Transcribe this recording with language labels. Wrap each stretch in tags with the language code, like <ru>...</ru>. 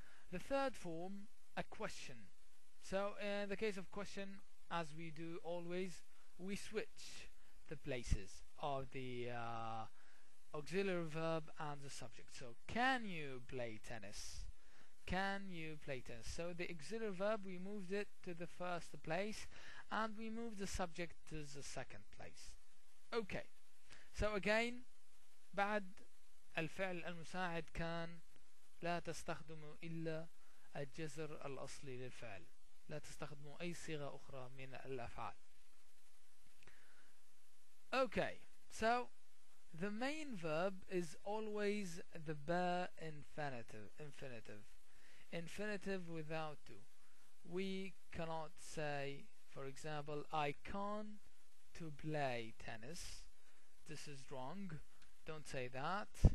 <en>The third form, a question. So in the case of question, as we do always, we switch the places of the auxiliary verb and the subject. So can you play tennis? Can you play tennis? So the auxiliary verb, we moved it to the first place and we moved the subject to the second place. Okay, so again,</en> <ar>بعد الفعل المساعد كان لا تستخدم إلا الجزر الأصلي للفعل, لا تستخدم أي صيغة أخرى من الأفعال.</ar> <en>Okay, so the main verb is always the bare infinitive. Infinitive without to. We cannot say, for example, I can't to play tennis. This is wrong. Don't say that.</en>